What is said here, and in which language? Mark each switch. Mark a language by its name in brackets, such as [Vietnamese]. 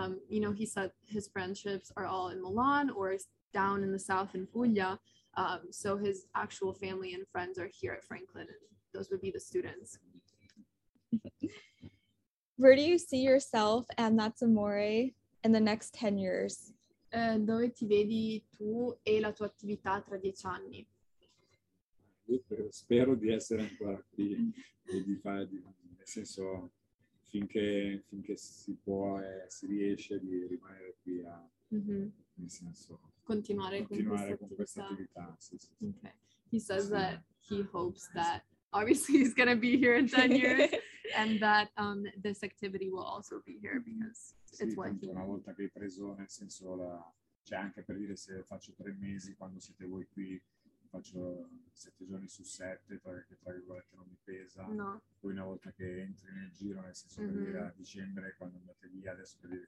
[English] You know, he said his friendships are all in Milan or down in the south in Puglia. So his actual family and friends are here at Franklin. And those would be the students. Where do you see yourself and that's Amore in the next 10 years? [Italian] Dove ti vedi tu e la tua attività tra 10 anni? Spero di essere ancora qui e di fare, nel senso... Finché si può e si riesce di rimanere qui a nel senso continuare con questa attività. Sì, sì, sì. Okay. [English] He says that he hopes that obviously he's gonna be here in 10 years and that this activity will also be here because it's [Italian] sì, una volta che hai preso nel senso la cioè anche per dire se faccio 3 mesi quando siete voi qui faccio 7 giorni su 7 perché tra virgolette non mi pesa no. Poi una volta che entri nel giro nel senso per dire a dicembre quando andate via adesso per dire